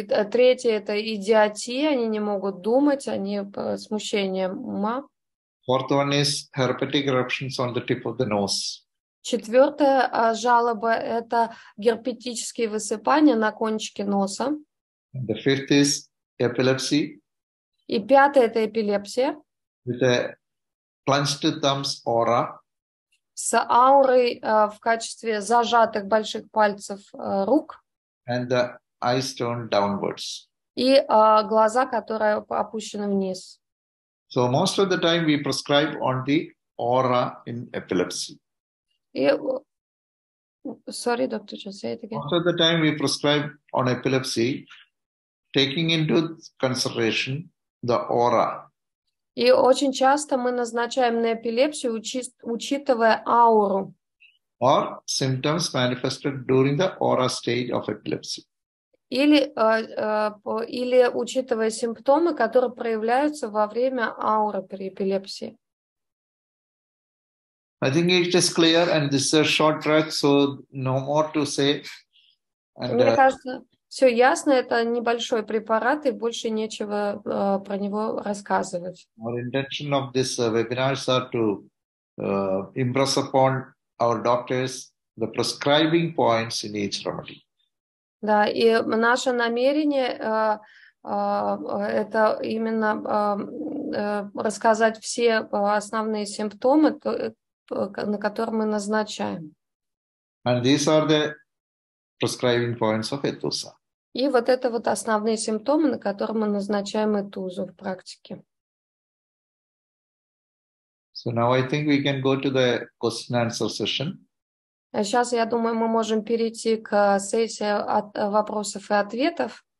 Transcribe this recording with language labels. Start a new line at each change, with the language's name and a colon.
Russian: Третье – это идиотия, они не могут думать, они смущение ума.
English: Fourth one is herpetic eruptions on the tip of the nose.
Russian: Четвертая жалоба – это герпетические высыпания на кончике носа.
English: And the fifth is epilepsy.
Russian: И пятая – это эпилепсия.
English: With a clenched thumbs aura.
Russian: С аурой в качестве зажатых больших пальцев рук.
English: And the eyes turned downwards.
Russian: И глаза, которые опущены вниз.
English: So most of the time we prescribe on the aura in epilepsy. Sorry, doctor, just say it again. Most of the time we prescribe on epilepsy, taking into consideration the aura.
Russian: И очень часто мы назначаем на эпилепсию, учитывая ауру.
English: Or symptoms manifested during the aura stage of epilepsy.
Russian: Или учитывая симптомы, которые проявляются во время ауры при эпилепсии.
English: I think it is clear, and this is a short track, so no more to say.
Russian: And, мне кажется, все ясно, это небольшой препарат, и больше нечего про него рассказывать.
English: Our intention of this webinar is to impress upon our doctors the prescribing points in each remedy.
Russian: Да, и наше намерение это именно рассказать все основные симптомы, на которые мы назначаем.
English: And these are the prescribing points of ETHUSA.
Russian: И вот это вот основные симптомы, на которые мы назначаем ETHUSA в практике.
English: So now I think we can go to the question and answer session.
Russian: Сейчас, я думаю, мы можем перейти к сессии вопросов и ответов.